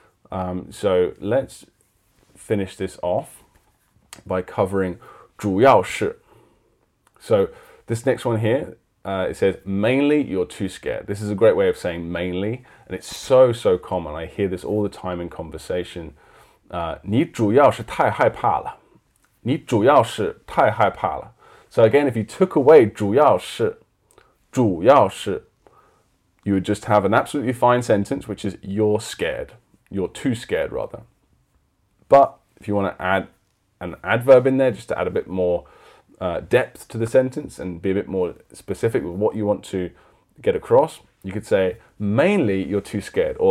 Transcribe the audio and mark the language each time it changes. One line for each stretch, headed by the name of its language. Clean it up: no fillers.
English: So let's finish this off by covering 主要是. So this next one here, it says, mainly you're too scared. This is a great way of saying mainly, and it's so, so common. I hear this all the time in conversation.
Chinese: 你主要是太害怕了。你主要是太害怕了。
English: So again, if you took away 主要是, you would just have an absolutely fine sentence, which is you're scared. You're too scared, rather. But if you want to add an adverb in there, just to add a bit more depth to the sentence and be a bit more specific with what you want to get across, you could say, mainly you're too scared.